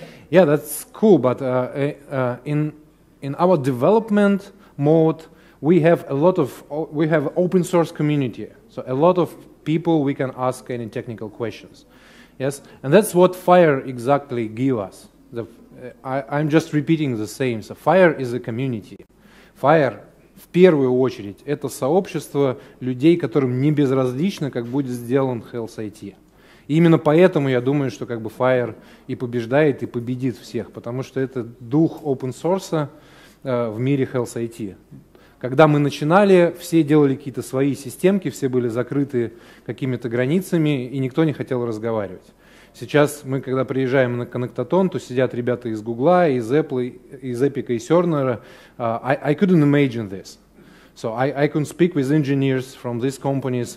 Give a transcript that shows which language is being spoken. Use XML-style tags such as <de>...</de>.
<en>Yeah, that's cool, but in our development mode, we have open source community, so a lot of people we can ask any technical questions. Yes, and that's what FIRE exactly give us. I'm just repeating the same. So FIRE is a community.</en> <ru>FIRE в первую очередь это сообщество людей, которым не безразлично, как будет сделан Health IT. И именно поэтому я думаю, что как бы FIRE и побеждает, и победит всех, потому что это дух open source в мире Health IT. Когда мы начинали, все делали какие-то свои системки, все были закрыты какими-то границами, и никто не хотел разговаривать. Сейчас мы, когда приезжаем на коннектатон, то сидят ребята из Гугла, из Apple, из Epic и Cerner.</ru> <en>I couldn't imagine this. So I can speak with engineers from these companies.</en>